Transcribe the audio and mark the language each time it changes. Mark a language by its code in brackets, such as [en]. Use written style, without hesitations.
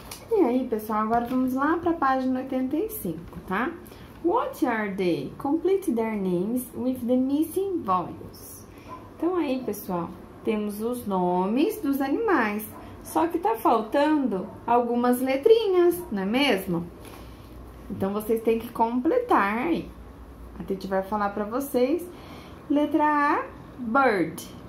[pt] E aí, pessoal, agora vamos lá para a página 85, tá? [en] What are they? Complete their names with the missing vowels. [pt] Então, aí, pessoal, temos os nomes dos animais. Só que tá faltando algumas letrinhas, não é mesmo? Então, vocês têm que completar aí. A gente vai falar para vocês. Letra A, bird.